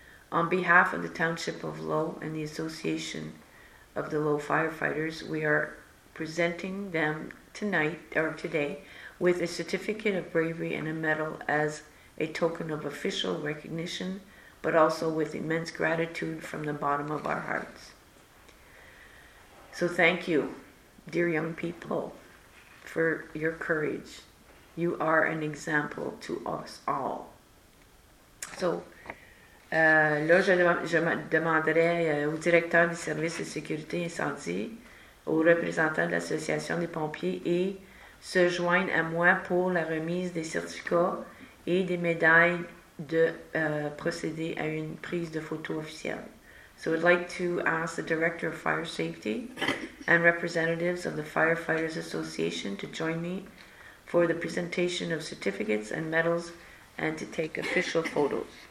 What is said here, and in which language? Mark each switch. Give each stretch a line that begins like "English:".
English: On behalf of the Township of Lowe and the Association of the Lowe Firefighters, we are presenting them today with a certificate of bravery and a medal as a token of official recognition, but also with immense gratitude from the bottom of our hearts. So thank you, dear young people, for your courage. You are an example to us all.
French: So, là, je demanderai au directeur du service de sécurité incendie, aux représentants de l'association des pompiers et se joignent à moi pour la remise des certificats et des médailles de procéder à une prise de photo officielle.
English: So, I'd like to ask the director of fire safety and representatives of the Firefighters Association to join me for the presentation of certificates and medals and to take official photos.